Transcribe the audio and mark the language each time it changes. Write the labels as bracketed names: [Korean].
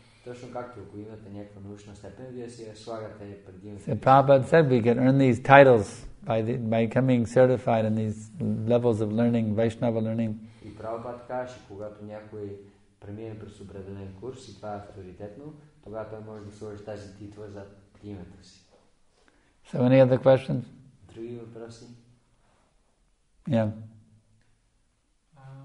[Bulgarian] Точно както, ако имате някаква научна степен, вие си я слагате преди. [English] So Prabhupada said we can earn these titles by becoming certified in these levels of learning, Vaishnava learning. [Bulgarian] И Prabhupada каже, когато някой премине през определен курс и това е авторитетно, тогава той може да сложи тази титла за името си. [English] So any other questions? [Bulgarian] Други въпроси? [English] Yeah.